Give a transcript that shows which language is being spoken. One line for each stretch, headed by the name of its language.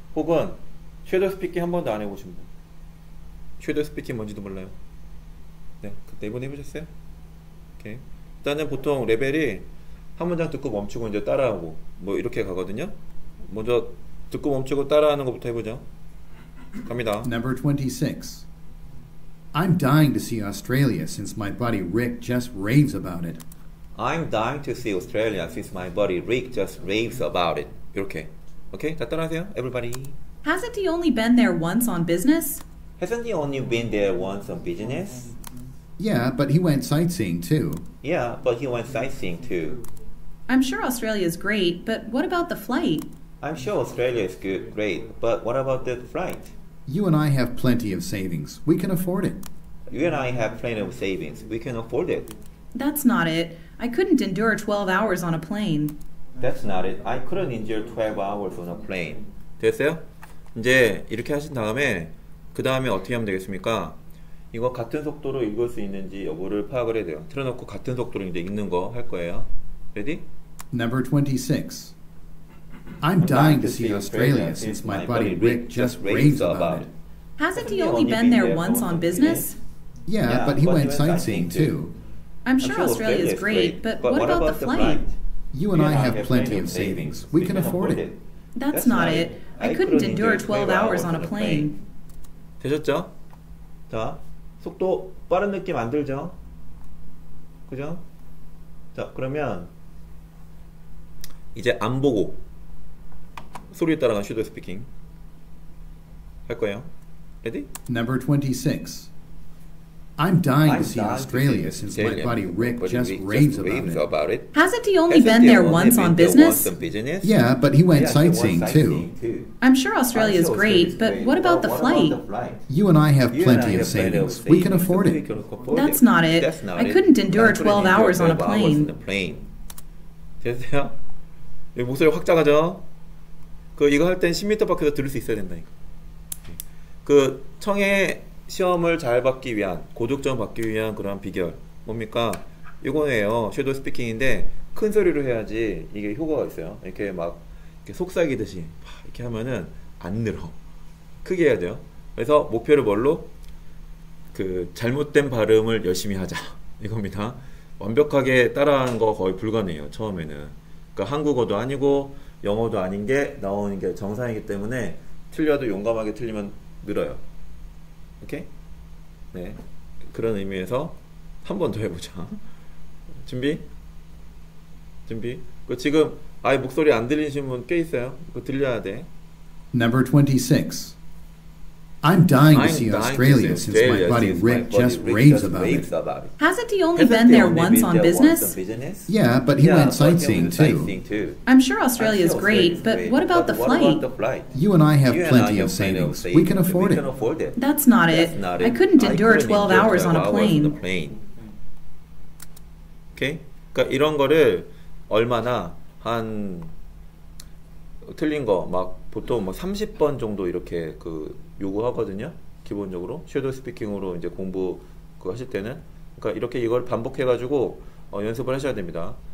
Korean: 혹은 쉐도우 스피킹 한 번도 안 해보신 분. 쉐도우 스피킹 뭔지도 몰라요. 네, 그때 이번에 해보셨어요? 오케이. 일단은 보통 레벨이 한 문장 듣고 멈추고 이제 따라하고 뭐 이렇게 가거든요. 먼저 듣고 멈추고 따라하는 것부터 해보죠. 갑니다.
English: Number 26. I'm dying to see Australia since my buddy Rick just raves about it. I'm dying to see Australia since my buddy Rick just raves about it.
Korean: 이렇게. 오케이? 다 따라하세요, everybody.
English: Hasn't he only been there once on business? Hasn't he only been there once on business? Yeah, but he went sightseeing too. Yeah, but he went sightseeing too. I'm sure Australia is great, but what about the flight? I'm sure Australia is good, great, but what about the flight? You and I have plenty of savings. We can afford it. You and I have plenty of savings. We can afford it. That's not it. I couldn't endure 12 hours on a plane. That's not it. I couldn't endure 12 hours on a plane.
Korean: 됐어요? 이제 이렇게 하신 다음에 그 다음에 어떻게 하면 되겠습니까? 이거 같은 속도로 읽을 수 있는지 여부를 파악을 해야 돼요. 틀어놓고 같은 속도로 이제 읽는 거 할 거예요.
English: Ready? Number 26. I'm dying to see Australia since my buddy Rick just raves about it. Hasn't he only been there once on business? Yeah, but he went sightseeing too. I'm sure Australia is great, but what about the flight? You and I have plenty of savings. We can afford it. That's not it. I couldn't endure 12 hours on a plane.
Korean: 되셨죠? 자, 속도 빠른 느낌 안 들죠? 그죠? 자, 그러면 이제 안 보고 소리에 따라 shadow speaking 할 거예요. Ready?
English: Number 26. I'm dying to see Australia since my buddy Rick just raves about it. Hasn't he only been there once on business? Yeah, but he went sightseeing too. I'm sure Australia is great, but what about the flight? You and I have plenty of savings. We can afford it. That's not it. I couldn't endure 12 hours on a plane.
Korean: 됐어요? 목소리 확 작아져. 그 이거 할 땐 10m 밖에서 들을 수 있어야 된다니까. 그 청해 시험을 잘 받기 위한 고득점 받기 위한 그런 비결 뭡니까? 이거예요. 섀도우 스피킹인데 큰 소리로 해야지 이게 효과가 있어요. 이렇게 막 이렇게 속삭이듯이 이렇게 하면은 안 늘어. 크게 해야 돼요. 그래서 목표를 뭘로? 그 잘못된 발음을 열심히 하자 이겁니다. 완벽하게 따라하는 거 거의 불가능해요. 처음에는. 그러니까 한국어도 아니고 영어도 아닌 게 나오는 게 정상이기 때문에 틀려도 용감하게 틀리면 늘어요. 오케이? 네. 그런 의미에서 한 번 더 해보자. 준비? 준비? 그 지금 아예 목소리 안 들리신 분 꽤 있어요. 그거 들려야 돼. Number 26. I'm dying to see Australia since my buddy Rick just raves about it. Hasn't he only been there once on business? Yeah, but he went sightseeing too. I'm sure Australia is great, but what about the flight? You and I have plenty of savings. We can afford it. That's not it. I couldn't endure 12 hours on a plane.
English: Okay?
Korean: 그러니까 이런 거를 얼마나 한 틀린 거 막 보통 뭐 30번 정도 이렇게 그 요구하거든요. 기본적으로 섀도우 스피킹으로 이제 공부 그 하실 때는 그러니까 이렇게 이걸 반복해 가지고 연습을 하셔야 됩니다.